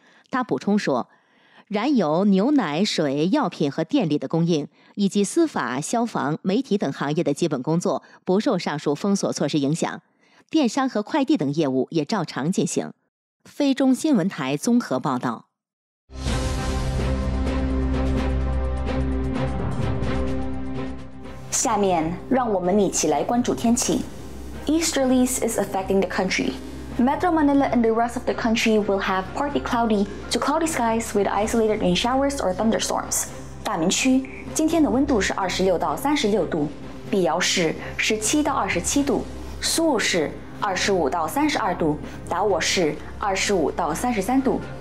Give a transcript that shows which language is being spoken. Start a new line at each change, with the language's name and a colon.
Chinese: 他补充说，燃油、牛奶、水、药品和电力的供应，以及司法、消防、媒体等行业的基本工作不受上述封锁措施影响，电商和快递等业务也照常进行。非中新闻台综合报道。下面让我们一起来关注天气。
English: Easterlies is affecting the country. Metro Manila and the rest of the country will have partly cloudy to cloudy skies with isolated rain showers or thunderstorms.
Chinese: 大明区今天的温度是26到36度，碧瑶市17到27度，苏武市25到32度，达沃市25到33度。